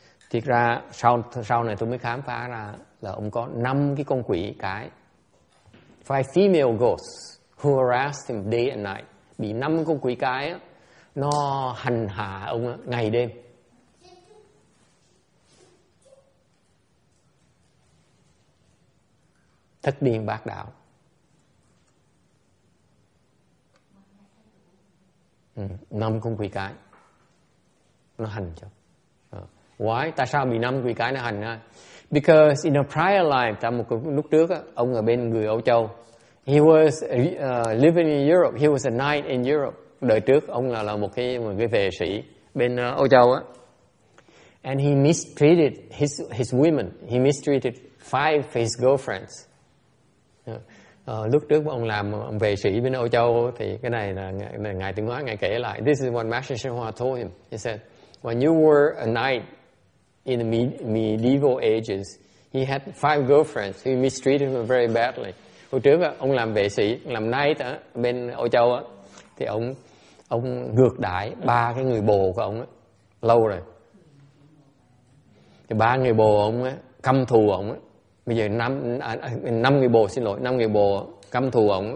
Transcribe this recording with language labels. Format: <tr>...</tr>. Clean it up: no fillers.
<vi>Thực ra sau này tôi mới khám phá ra là ông có 5 cái con quỷ cái.</vi> <en>Five female ghosts who harassed him day and night.</en> <vi>Bị 5 con quỷ cái nó hành hạ ông ngày đêm. Thất điên bác đạo. Năm con quỷ cái nó hành cho.</vi> <en>Why?</en> <vi>Tại sao bị 5 quỷ cái nó hành?</vi> <en>Because in a prior life,</en> <vi>tại một lúc trước, ông ở bên người Âu Châu.</vi> <en>He was living in Europe. He was a knight in Europe.</en> <vi>Đời trước ông là một cái vệ sĩ bên Âu Châu á.</vi> <en>And he mistreated his women. He mistreated 5 of his girlfriends.</en> <vi>Lúc trước ông làm vệ sĩ bên Âu Châu thì cái này là ngài tiếng nói ngài kể lại.</vi> <en>This is what Master Sư Hoa told him. He said, when you were a knight in the medieval ages, he had 5 girlfriends. He mistreated them very badly.</en> <vi>Hồi trước ông làm vệ sĩ, làm knight ở bên Âu Châu á, thì ông ngược đãi 3 cái người bồ của ông ấy, lâu rồi. Thì 3 người bồ ông ấy, căm thù ông ấy. Bây giờ 5 người bồ, xin lỗi, 5 người bồ căm thù ông ấy.</vi>